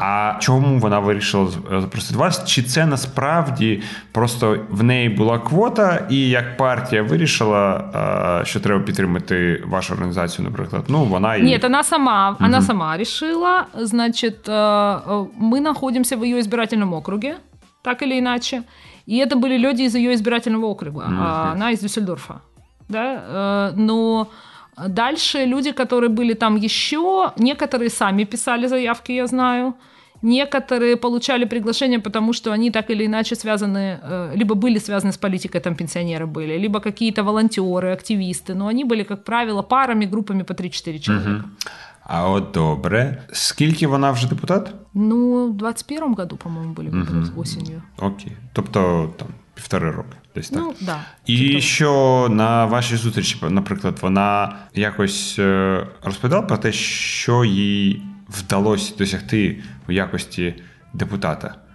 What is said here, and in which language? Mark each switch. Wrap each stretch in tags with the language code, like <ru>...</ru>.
<uk>А чому вона вирішила запросити вас? Чи це насправді просто в неї була квота, і як партія вирішила, що треба підтримати вашу організацію, наприклад? Ну, вона і... Ні, вона сама, угу. Вона сама рішила. Значить, ми знаходимося в її збирательному окрузі, так или іначе.</uk> <ru>И это были люди из ее избирательного округа. Mm-hmm. Она из Дюссельдорфа. Да? Но дальше люди, которые были там еще, некоторые сами писали заявки, я знаю. Некоторые получали приглашения, потому что они так или иначе связаны, либо были связаны с политикой, там пенсионеры были, либо какие-то волонтеры, активисты. Но они были, как правило, парами, группами по 3-4 человека. Mm-hmm.</ru> <uk>А от добре. Скільки вона вже депутат? Ну, в 21-му году, по-моєму, були осінню. Окей. Тобто, там, півтори роки, десь так. Ну, да. І тобто... що на вашій зустрічі, наприклад, вона якось розповідала про те, що їй вдалося досягти в якості депутата?</uk>